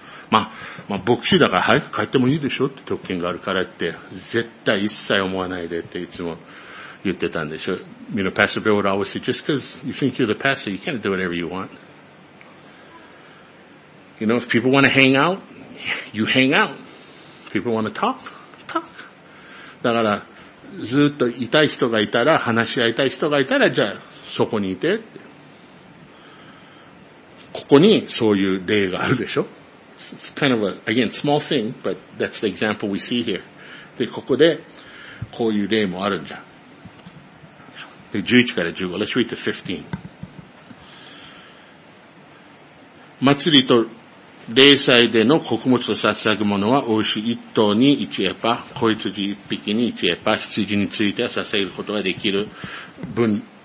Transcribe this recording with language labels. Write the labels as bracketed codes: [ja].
[ja] まあ、牧師だから早く帰ってもいいでしょって特権があるからって、絶対一切思わないでっていつも言ってたんでしょ。 [en] You know, Pastor Bill would always say, just because you think you're the pastor, you can't do whatever you want. You know, if people want to hang out, you hang out. If people want to talk, talk. [ja] だから、ずっといたい人がいたら、話し合いたい人がいたら、じゃあ、そこにいてって。ここにそういう例があるでしょ。 [en] It's kind of a, again, small thing, but that's the example we see here. [ja] で、ここで、こういう例もあるんじゃん。で、11から15。 [en] Let's read to 15. [ja] 祭りと礼祭での穀物を捧ぐものは、お牛一頭に一エパ、子羊一匹に一エパ、羊については捧げることができる分。